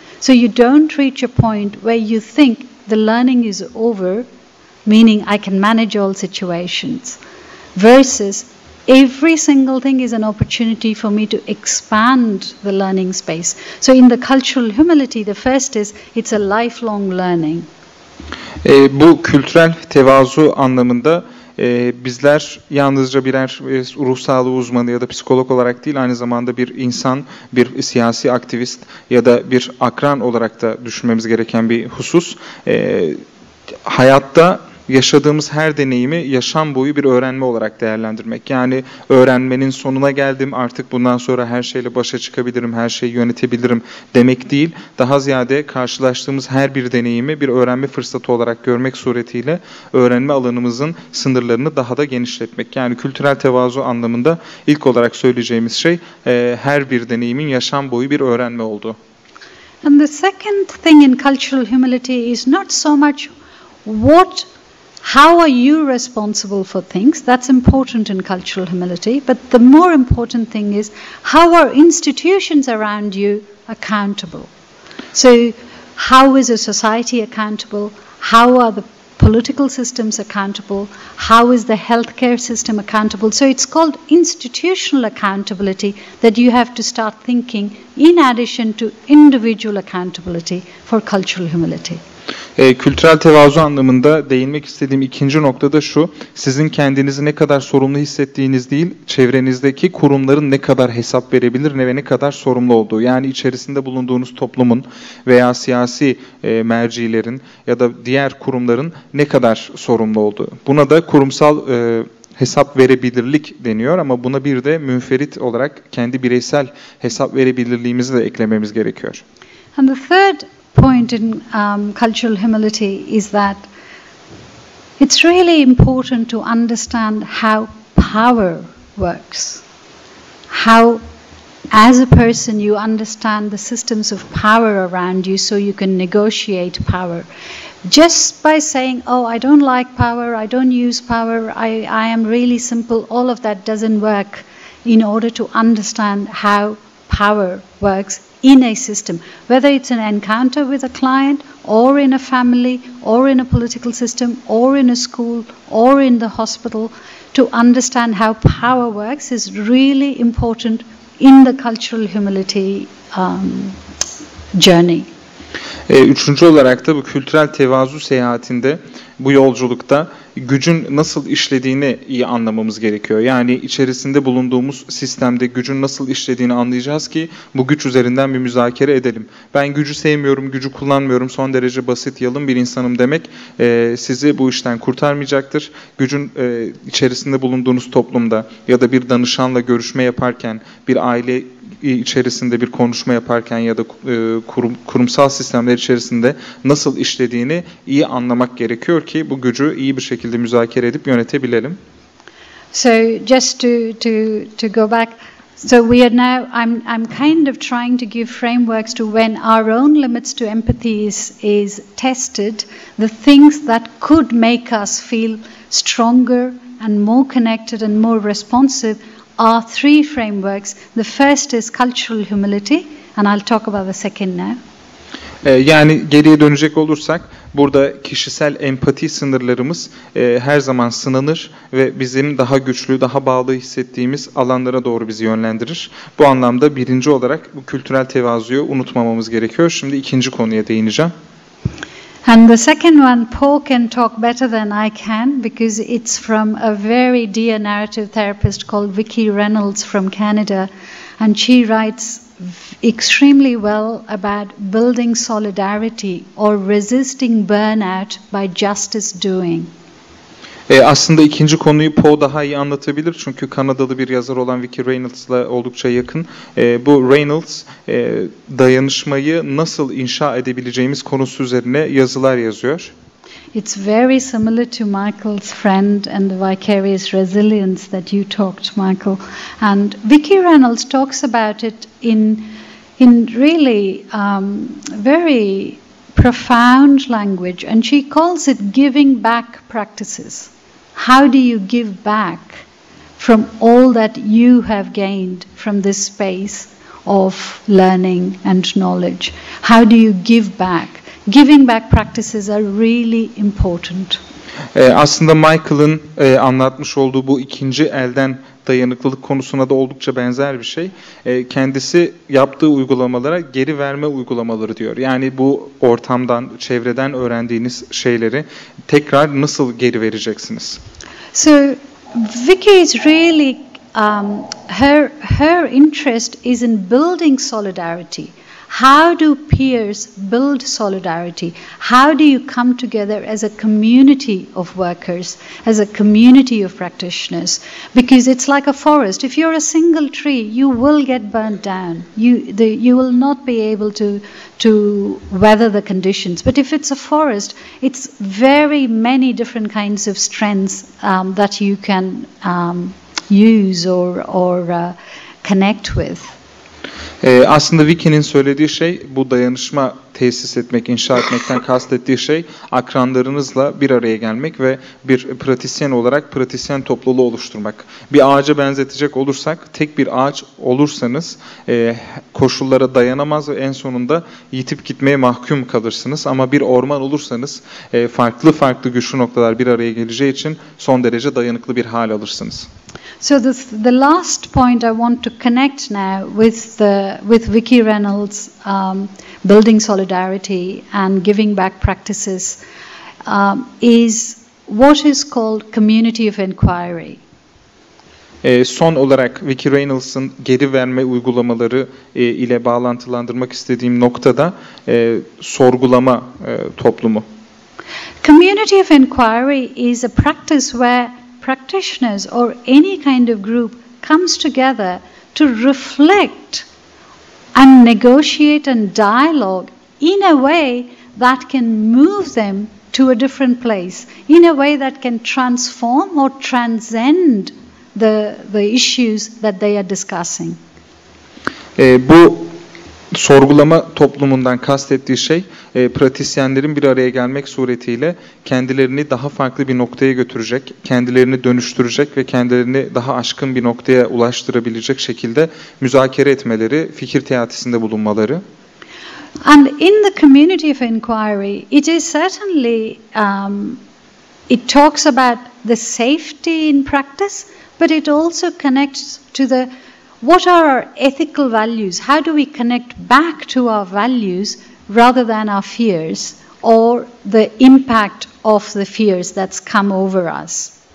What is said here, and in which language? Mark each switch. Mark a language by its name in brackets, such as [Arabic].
[English] So you don't reach a point where you think the learning is over, meaning I can manage all situations, versus every single thing is an opportunity for me to expand the learning space. So in the cultural humility, the first is it's a lifelong learning. [Turkish] Bu kültürel tevazu anlamında bizler yalnızca birer ruh sağlığı uzmanı ya da psikolog olarak değil, aynı zamanda bir insan, bir siyasi aktivist ya da bir akran olarak da düşünmemiz gereken bir husus. Hayatta yaşadığımız her deneyimi yaşam boyu bir öğrenme olarak değerlendirmek. Yani öğrenmenin sonuna geldim, artık bundan sonra her şeyle başa çıkabilirim, her şeyi yönetebilirim demek değil. Daha ziyade karşılaştığımız her bir deneyimi bir öğrenme fırsatı olarak görmek suretiyle öğrenme alanımızın sınırlarını daha da genişletmek. Yani kültürel tevazu anlamında ilk olarak söyleyeceğimiz şey her bir deneyimin yaşam boyu bir öğrenme olduğu. [English] And the second thing in cultural humility is not so much what... How are you responsible for things? That's important in cultural humility. But the more important thing is, how are institutions around you accountable? So how is a society accountable? How are the political systems accountable? How is the healthcare system accountable? So it's called institutional accountability that you have to start thinking in addition to individual accountability for cultural humility. [Turkish] Kültürel tevazu anlamında değinmek istediğim ikinci nokta da şu: sizin kendinizi ne kadar sorumlu hissettiğiniz değil, çevrenizdeki kurumların ne kadar hesap verebilir ve ne kadar sorumlu olduğu. Yani içerisinde bulunduğunuz toplumun veya siyasi mercilerin ya da diğer kurumların ne kadar sorumlu olduğu. Buna da kurumsal hesap verebilirlik deniyor, ama buna bir de münferit olarak kendi bireysel hesap verebilirliğimizi de eklememiz gerekiyor. [English] And the third point in cultural humility is that it's really important to understand how power works. How, as a person, you understand the systems of power around you so you can negotiate power. Just by saying, oh, I don't like power, I don't use power, I am really simple, all of that doesn't work in order to understand how power works in a system, whether it's an encounter with a client or in a family or in a political system or in a school or in the hospital. To understand how power works is really important in the cultural humility journey. [Turkish] Üçüncü olarak da bu kültürel tevazu seyahatinde, bu yolculukta gücün nasıl işlediğini iyi anlamamız gerekiyor. Yani içerisinde bulunduğumuz sistemde gücün nasıl işlediğini anlayacağız ki bu güç üzerinden bir müzakere edelim. Ben gücü sevmiyorum, gücü kullanmıyorum, son derece basit, yalın bir insanım demek sizi bu işten kurtarmayacaktır. Gücün içerisinde bulunduğunuz toplumda ya da bir danışanla görüşme yaparken, bir aile içerisinde bir konuşma yaparken ya da kurumsal sistemler içerisinde nasıl işlediğini iyi anlamak gerekiyor ki bu gücü iyi bir şekilde müzakere edip yönetebilelim. [English] So just to go back, so we are now I'm kind of trying to give frameworks to when our own limits to empathy is tested, the things that could make us feel stronger and more connected and more responsive are three frameworks. The first is cultural humility, and I'll talk about the second now. [Turkish] Yani geriye dönecek olursak, burada kişisel empati sınırlarımız her zaman sınanır ve bizim daha güçlü, daha bağlı hissettiğimiz alanlara doğru bizi yönlendirir. Bu anlamda birinci olarak bu kültürel tevazuyu unutmamamız gerekiyor. Şimdi ikinci konuya değineceğim. [English] And the second one, Paul can talk better than I can because it's from a very dear narrative therapist called Vicky Reynolds from Canada, and she writes extremely well about building solidarity or resisting burnout by justice doing. [Turkish] Aslında ikinci konuyu Poe daha iyi anlatabilir çünkü Kanadalı bir yazar olan Vicki Reynolds'la oldukça yakın. Bu Reynolds dayanışmayı nasıl inşa edebileceğimiz konusu üzerine yazılar yazıyor. [English] It's very similar to Michael's friend and the vicarious resilience that you talked, Michael. And Vicki Reynolds talks about it in really very profound language, and she calls it giving back practices. How do you give back from all that you have gained from this space of learning and knowledge? How do you give back? Giving back practices are really important. [Turkish] Aslında Michael'ın anlatmış olduğu bu ikinci elden dayanıklılık konusuna da oldukça benzer bir şey. Kendisi yaptığı uygulamalara geri verme uygulamaları diyor. Yani bu ortamdan, çevreden öğrendiğiniz şeyleri tekrar nasıl geri vereceksiniz? [English] So Vicki is really her interest is in building solidarity. How do peers build solidarity? How do you come together as a community of workers, as a community of practitioners? Because it's like a forest. If you're a single tree, you will get burnt down. You will not be able to weather the conditions. But if it's a forest, it's very many different kinds of strengths that you can use or connect with. [Turkish] Aslında Vicki'nin söylediği şey, bu dayanışma tesis etmek, inşa etmekten kastettiği şey akranlarınızla bir araya gelmek ve bir pratisyen olarak pratisyen topluluğu oluşturmak. Bir ağaca benzetecek olursak, tek bir ağaç olursanız koşullara dayanamaz ve en sonunda yitip gitmeye mahkum kalırsınız. Ama bir orman olursanız farklı farklı güçlü noktalar bir araya geleceği için son derece dayanıklı bir hal alırsınız. [English] So the last point I want to connect now with Vicki Reynolds building solidarity and giving back practices is what is called community of inquiry. [Turkish] Son olarak Vicki Reynolds'ın geri verme uygulamaları ile bağlantılandırmak istediğim noktada sorgulama toplumu. [English] Community of inquiry is a practice where practitioners or any kind of group comes together to reflect and negotiate and dialogue in a way that can move them to a different place, in a way that can transform or transcend the issues that they are discussing. [Turkish] Bu sorgulama toplumundan kastettiği şey, pratisyenlerin bir araya gelmek suretiyle kendilerini daha farklı bir noktaya götürecek, kendilerini dönüştürecek ve kendilerini daha aşkın bir noktaya ulaştırabilecek şekilde müzakere etmeleri, fikir teatisinde bulunmaları. [English] And in the community of inquiry, it is certainly, it talks about the safety in practice, but it also connects to the what are our ethical values? How do we connect back to our values rather than our fears or the impact of the fears that's come over us?